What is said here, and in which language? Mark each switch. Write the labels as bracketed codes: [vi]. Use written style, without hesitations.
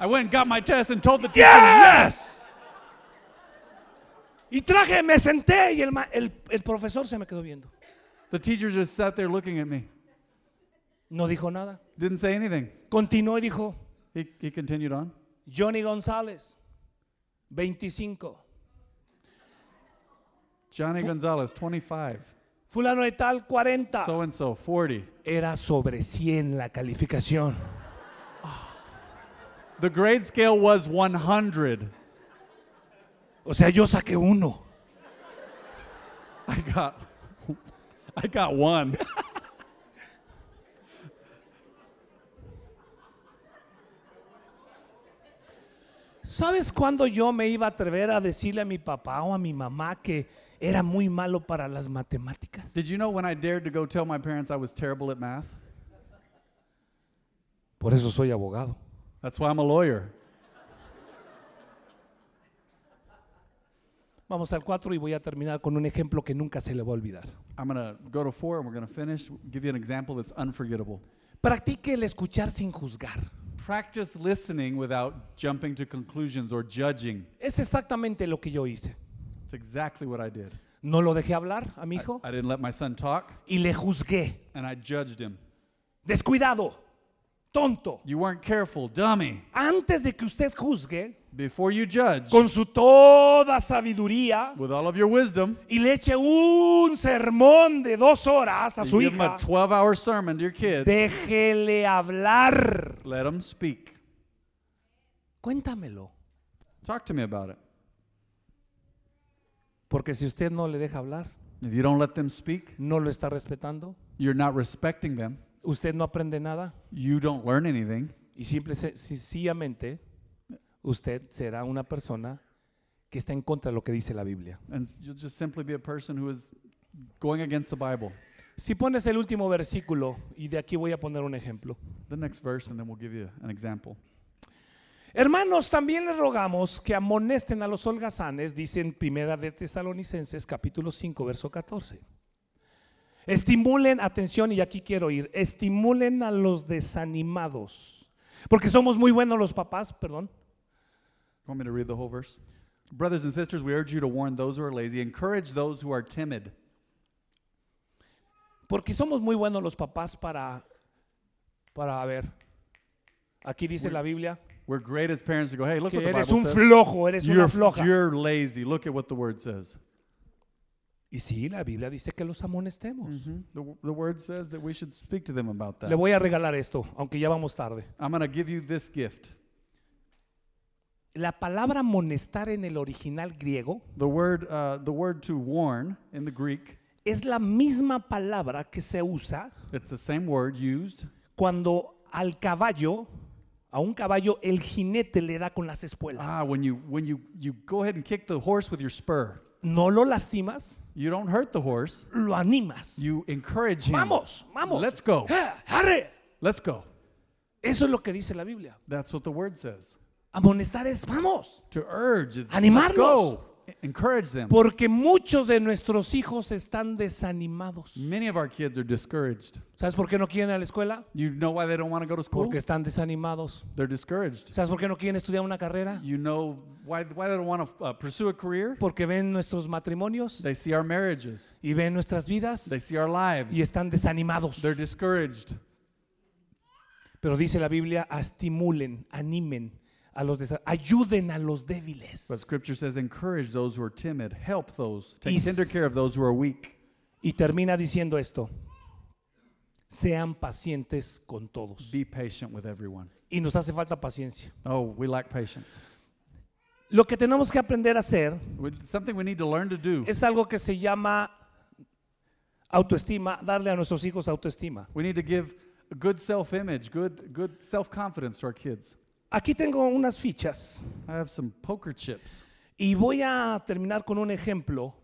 [en] I went and got my test and told the teacher, yes. Yes. [es] Y traje, me senté y el profesor se me quedó viendo. [en] The teacher just sat there looking at me. [es] No dijo nada. [en] Didn't say anything. [es] Continuó y dijo. [en] He continued on. [es] Johnny González, 25. [en] Johnny Gonzalez, 25. [es] Fulano de tal, 40. [en] So and so, 40. [es] Era sobre 100 la calificación. [en] The grade scale was 100. [es] O sea, yo saqué uno. [en] I got one. [es] ¿Sabes cuándo yo me iba a atrever a decirle a mi papá o a mi mamá que era muy malo para las matemáticas? [en] Did you know when I dared to go tell my parents I was terrible at math? [es] Por eso soy abogado. [en] That's why I'm a lawyer. [es] Vamos al 4 y voy a terminar con un ejemplo que nunca se le va a olvidar. [en] I'm going to go to 4 and we're going to finish, give you an example that's unforgettable. [es] Practique el escuchar sin juzgar. [en] Practice listening without jumping to conclusions or judging. [es] Es exactamente lo que yo hice. [en] It's exactly what I did. [es] No lo dejé hablar a mi hijo. [en] I didn't let my son talk. [es] Y le juzgué. [en] And I judged him. [es] Descuidado. Tonto. [en] You weren't careful. Dummy. [es] Antes de que usted juzgue. [en] Before you judge. [es] Con su toda sabiduría. [en] With all of your wisdom. [es] Y le eche un sermón de 2 horas a su hija. [en] Give him a 12-hour sermon to your kids. [es] Déjele hablar. [en] Let him speak. [es] Cuéntamelo. [en] Talk to me about it. [es] Porque si usted no le deja hablar, [en] If you don't let them speak, [es] no lo está respetando. [en] You're not respecting them. [es] Usted no aprende nada. [en] You don't learn anything. [es] Y simple, sencillamente, usted será una persona que está en contra de lo que dice la Biblia. [en] And you'll just simply be a person who is going against the Bible. [es] Si pones el último versículo, y de aquí voy a poner un ejemplo. [en] The next verse, and then we'll give you an example. [es] Hermanos, también les rogamos que amonesten a los holgazanes, dice en Primera de Tesalonicenses, capítulo 5, verso 14. Estimulen, atención, y aquí quiero ir, estimulen a los desanimados. Porque somos muy buenos los papás, perdón. [en] You want me to read the whole verse? Brothers and sisters, we urge you to warn those who are lazy, encourage those who are timid. [es] Porque somos muy buenos los papás para a ver. Aquí dice la Biblia. [en] We're great as parents to go, hey, look what the Bible says. [es] Eres un flojo, eres una floja. [en] You're lazy. Look at what the word says. [es] Y sí, la Biblia dice que los amonestemos. Mm-hmm. [en] The word says that we should speak to them about that. [es] Le voy a regalar esto, aunque ya vamos tarde. [en] I'm going to give you this gift. [es] La palabra amonestar en el original griego. [en] The word to warn in the Greek. [es] Es la misma palabra que se usa. [en] It's the same word used. [es] Cuando al caballo. A un caballo el jinete le da con las espuelas. [en] Ah, when you go ahead and kick the horse with your spur. [es] No lo lastimas. [en] You don't hurt the horse. [es] Lo animas. [en] You encourage him. [es] Vamos, vamos. [en] Let's go. [es] ¡Arre! [en] Let's go. [es] Eso es lo que dice la Biblia. [en] That's what the word says. [es] Amonestar es vamos. [en] To urge is [es] animarlos. [en] Encourage them. [es] Porque muchos de nuestros hijos están desanimados. [en] Many of our kids are discouraged. [es] ¿Sabes por qué no quieren ir a la escuela? [en] You know why they don't want to go to school? [es] Porque están desanimados. [en] They're discouraged. [es] ¿Sabes por qué no quieren estudiar una carrera? [en] You know why they don't want to pursue a career? [es] Porque ven nuestros matrimonios. [en] They see our marriages. [es] Y ven nuestras vidas. [en] They see our lives. [es] Y están desanimados. [en] They're discouraged. [es] Pero dice la Biblia, estimulen, animen. Ayuden a los débiles. [en] But scripture says, encourage those who are timid, help those, take tender care of those who are weak. [es] Y termina diciendo esto, sean pacientes con todos. [en] Be patient with everyone. [es] Y nos hace falta paciencia. [en] Oh, we lack patience. [es] Lo que tenemos que aprender a hacer, [en] something we need to learn to do, [es] es algo que se llama autoestima, darle a nuestros hijos autoestima. [en] We need to give a good self-image, good self-confidence to our kids. [es] Aquí tengo unas fichas. [en] I have some poker chips. [es] Y voy a terminar con un ejemplo.